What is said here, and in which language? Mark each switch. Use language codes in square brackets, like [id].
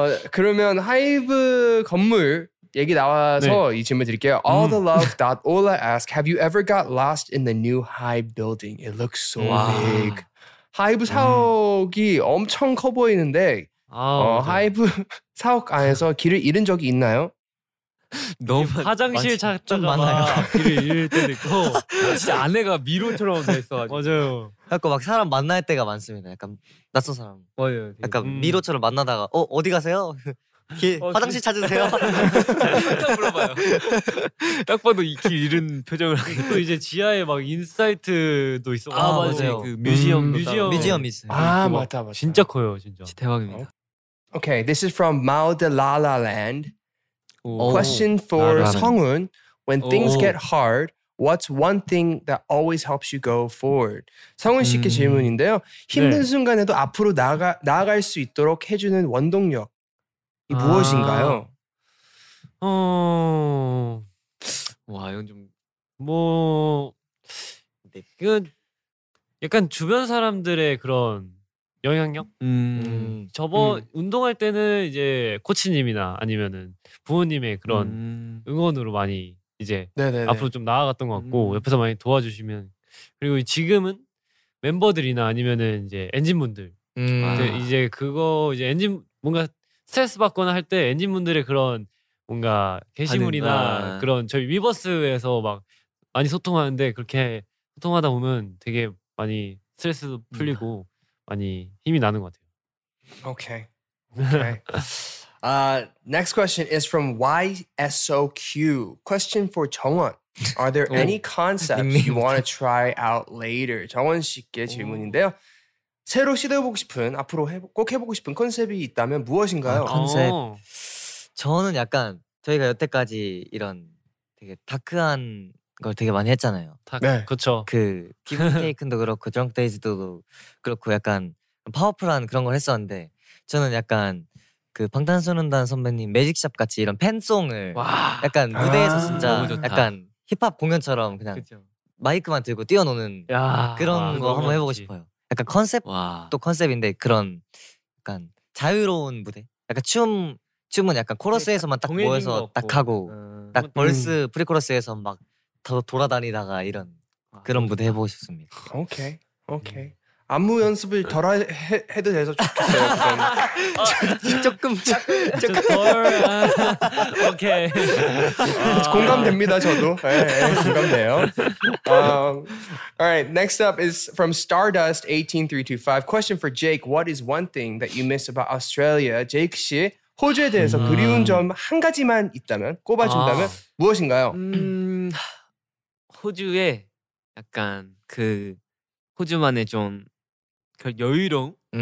[ko] 그러면 하이브 건물 얘기 나와서 네. 이 질문 드릴게요. [en] All the love that Ola asked, have you ever got lost in the new Hive building? It looks so big. [ko] 하이브 사옥이 엄청 커 보이는데 하이브 사옥 안에서 길을 잃은 적이 있나요? 너무 화장실 찾다가 많아요. 길을 잃을 때도 있고 진짜 안에가 미로처럼 돼 있어가지고 맞아요. 약간 막 사람 만날 때가 많습니다. 약간 낯선 사람 맞아요. 약간 미로처럼 만나다가 어디 가세요? 화장실 찾으세요. 딱 물어봐요. 딱 봐도 이 길 잃은 표정을 하고 또 이제 지하에 막 인사이트도 있어. 아 맞아요. 그 뮤지엄 뮤지엄 있어요. 아 맞다 맞다. 진짜 커요 진짜. 대박입니다. [en] Okay, this is from Mao de La La Land. Question for Seongun. When things get hard, what's one thing that always helps you go forward? [ko] 성훈 씨께 질문인데요. 힘든 네. 순간에도 앞으로 나아갈 수 있도록 해주는 원동력. 무엇인가요? 와 이건 좀 뭐 이건 약간 주변 사람들의 그런 영향력? 운동할 때는 이제 코치님이나 아니면은 부모님의 그런 응원으로 많이 이제 네네네. 앞으로 좀 나아갔던 것 같고 옆에서 많이 도와주시면 그리고 지금은 멤버들이나 아니면은 이제 엔진분들 이제 그거 이제 엔진 뭔가 스트레스 받거나 할 때 엔진분들의 그런 뭔가 게시물이나 그런 저희 위버스에서 막 많이 소통하는데 그렇게 소통하다 보면 되게 많이 스트레스도 풀리고 많이 힘이 나는 것 같아요. [en] 오케이. Okay. 오케이. Okay. next question is from YSOQ. Question for 정원. Are there any concepts you want to try out later? [ko] 정원 씨께 질문인데요. 새로 시도해보고 싶은 앞으로 꼭 해보고 싶은 컨셉이 있다면 무엇인가요? 컨셉 저는 약간 저희가 여태까지 이런 되게 다크한 걸 되게 많이 했잖아요. 네, 그렇죠. 그 기프테이큰도 그렇고 드렁크데이즈도 그렇고 약간 파워풀한 그런 걸 했었는데 저는 약간 그 방탄소년단 선배님 매직샵 같이 이런 팬송을 와. 약간 무대에서 진짜 약간 힙합 공연처럼 그냥 그쵸. 마이크만 들고 뛰어노는 야. 그런 거 한번 해보고 그렇지. 싶어요. 약간 컨셉 와. 또 컨셉인데 그런 약간 자유로운 무대 약간 춤은 약간 코러스에서만 딱 모여서 딱 하고 딱 벌스 프리코러스에서 막 더 돌아다니다가 이런 그런 무대 해보고 싶습니다. 오케이 오케이 안무 연습을 덜 해도 돼서 좋겠어요. 조금 오케이 공감됩니다 저도 공감돼요. [en] Alright, next up is from Stardust 18325. Question for Jake: What is one thing that you miss about Australia? [ko] Jake 씨 호주에 대해서 그리운 점 한 가지만 있다면 꼽아준다면 무엇인가요? 호주의 약간 그 호주만의 좀 여유로움